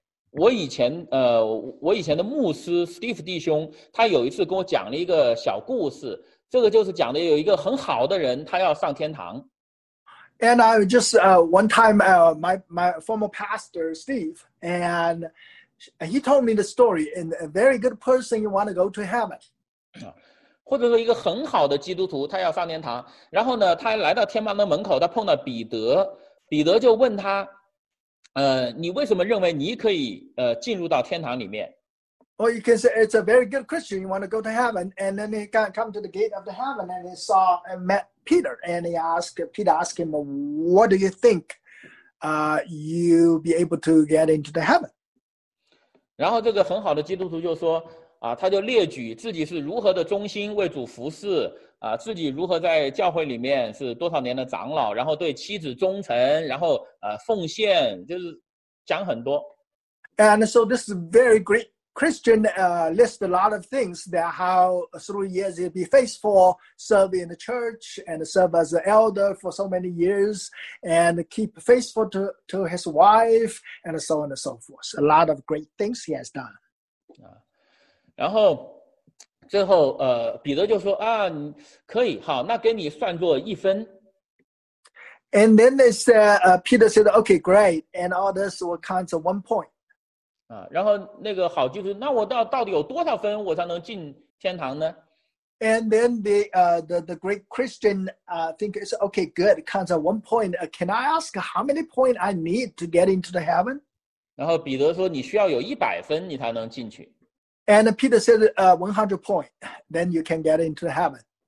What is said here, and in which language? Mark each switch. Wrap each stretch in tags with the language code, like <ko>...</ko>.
<zh>我以前的牧师 Steve 弟兄，他有一次跟我讲了一个小故事，这个就是讲的有一个很好的人，他要上天堂。</zh> <en>And I just one time my former pastor Steve and he told me the story and a very good person you want to go to heaven.</en> <zh>或者说一个很好的基督徒他要上天堂，然后呢他来到天堂的门口，他碰到彼得，彼得就问他你为什么认为你可以进入到天堂里面。</zh> <en>Or you can say it's a very good Christian you want to go to heaven, and then he got come to the gate of the heaven and he saw and metPeter, and he asked, Peter asked him, what do you think you'll be able to get into the heaven?</en> <zh>然后这个很好的基督徒就说他就列举自己是如何的忠心为主服侍自己如何在教会里面是多少年的长老，然后对妻子忠诚，然后奉献，就是讲很多。</zh> <en>And so this is very great Christian lists a lot of things that how 3 years he'll be faithful, serve in the church and serve as an elder for so many years and keep faithful to his wife and so on and so forth. A lot of great things he has done.</en> <zh>然后最后彼得就说可以好，那给你算作一分。</zh> <en>And then they said, Peter said, okay, great. And all this will count to 1 point.</en> <zh>然后那个好基督徒，那我到底有多少分我才能进天堂呢？</zh> <en>And then the great Christian think it's okay, good, counts at 1 point. Can I ask how many points I need to get into the heaven?</en> <zh>然后彼得说你需要有100分你才能进去。</zh> <en>And Peter said 100 points, then you can get into the heaven.</en>